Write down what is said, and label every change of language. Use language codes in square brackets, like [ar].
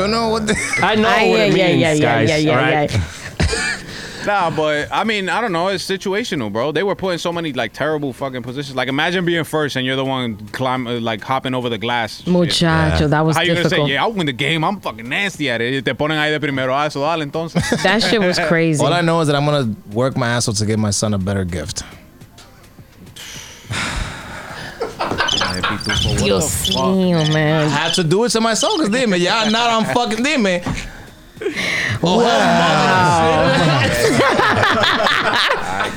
[en] You know what the. I know what it means, guys. Yeah. Nah, but I mean, I don't know. It's situational, bro. They were put in so many like terrible fucking positions. Like, imagine being first and you're the one hopping over the glass. Muchacho, yeah. That was how difficult. How you gonna say, yeah, I'll win the game. I'm fucking nasty at it. [es] Te ponen ahí de primero, eso dale, entonces. [en] That shit was crazy. All I know is that I'm gonna work my ass off to give my son a better gift. [es] Dios mío, man. [en] I have to do it to myself, cause dime, yeah, not on fucking dime. Oh, wow.